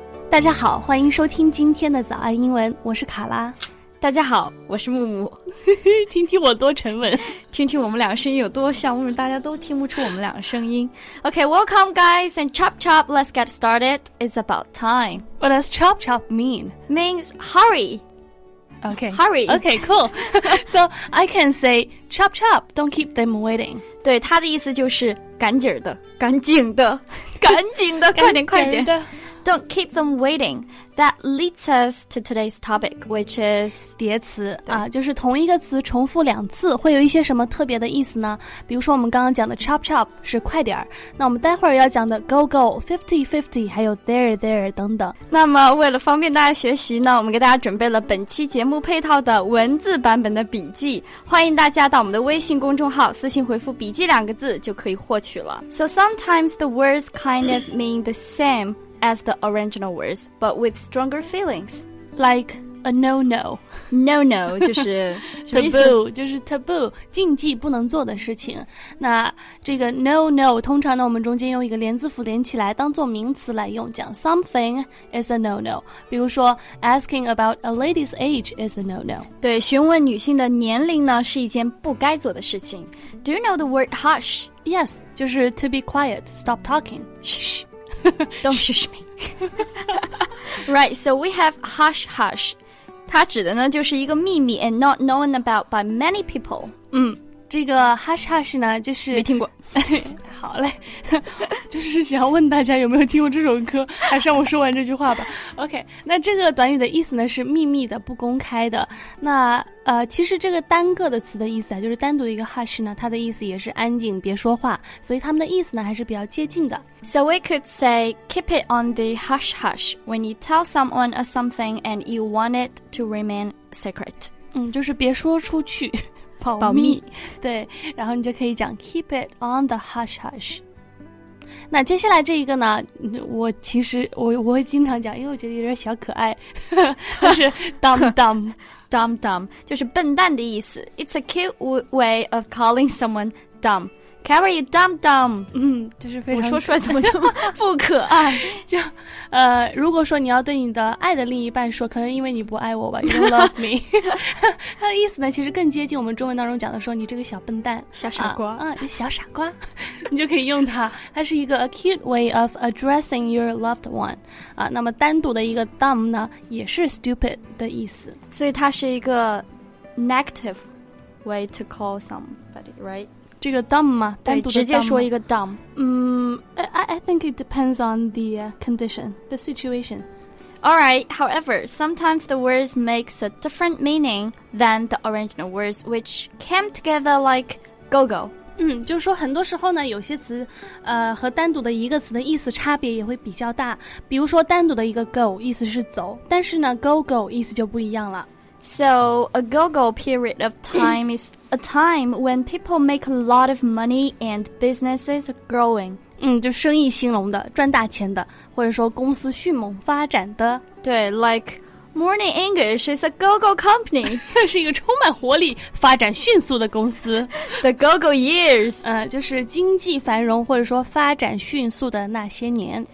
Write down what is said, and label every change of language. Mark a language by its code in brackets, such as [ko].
[zh] 大家好，欢迎收听今天的早安英文，我是卡拉。大家好，我是木木。听听我多沉稳，听听我们两个声音有多像，为什么大家都听不出我们两个声音。 [en] OK, welcome guys, and chop chop, let's get started. It's about time. What does chop chop mean? Means hurry. Okay. Hurry. Okay, cool. So I can say chop chop, don't keep them waiting. [zh] 对，他的意思就是赶紧的，赶紧的，赶紧的，快点，快点。 [en] Don't keep them waiting. That leads us to today's topic, which is [zh] 叠词啊，就是同一个词重复两次会有一些什么特别的意思呢？比如说我们刚刚讲的 chop chop 是快点，那我们待会儿要讲的 go go, 50-50, 还有 there there 等等。那么为了方便大家学习呢，我们给大家准备了本期节目配套的文字版本的笔记，欢迎大家到我们的微信公众号私信回复笔记两个字就可以获取了。 [en] So sometimes the words kind of mean the sameas the original words, but with stronger feelings. Like a no-no. [zh] No-no, 就是 taboo, 就是taboo, 禁忌不能做的事情。那这个 no-no, 通常呢我们中间用一个连字符连起来当做名词来用，讲 [en] something is a no-no. 比如说 asking about a lady's age is a no-no. [zh] 对，询问女性的年龄呢是一件不该做的事情。 [en] Do you know the word hush? Yes, [zh] 就是 [en] to be quiet, stop talking. Shh. Don't shush me. Right, so we have hush hush. [zh] 它指的呢就是一个秘密 [en] and not known about by many people. [zh] 这个 hush hush 呢就是没听过。好嘞，就是想问大家有没有听过这首歌，还是让我说完这句话吧。 OK, 那这个短语的意思呢是秘密的，不公开的。那其实这个单个的词的意思啊，就是单独一个 hush 呢，它的意思也是安静，别说话。所以它们的意思呢还是比较接近的。 [en] So we could say keep it on the hush hush when you tell someone or something and you want it to remain secret. [zh] 就是别说出去。保密对，然后你就可以讲 [en] keep it on the hush hush。 [zh] 那接下来这一个呢，我其实我会经常讲，因为我觉得有点小可爱，就是 dumb dumb dumb dumb, 就是笨蛋的意思。 [en] It's a cute way of calling someone dumb. How are you dumb dumb? [zh] 就是非常，我说出来怎么这么不可爱。就如果说你要对你的爱的另一半说，可能因为你不爱我吧， [en] you don't love me. [zh] 它的意思呢其实更接近我们中文当中讲的说你这个小笨蛋，小傻瓜，小傻瓜。你就可以用它，它是一个 [en] a cute way of addressing your loved one. [zh] 那么单独的一个 dumb 呢也是 stupid 的意思。所以它是一个 [en] negative way to call somebody, right? [zh] 这个 dumb 吗？对，直接说一个 dumb。 [en] I think it depends on the condition, the situation. All right, however, sometimes the words makes a different meaning than the original words, which came together like go-go. [zh] 就是说很多时候呢，有些词和单独的一个词的意思差别也会比较大。比如说单独的一个 go, 意思是走，但是呢 go-go 意思就不一样了。 [en] So, a go-go period of time is a time when people make a lot of money and businesses are growing. [zh] 就生意兴隆的，赚大钱的，或者说公司迅猛发展的。 [en] 对， like Morning English is a go-go company. [zh] 是一个充满活力，发展迅速的公司。 [en] The go-go years. [zh] 就是经济繁荣或者说发展迅速的那些年。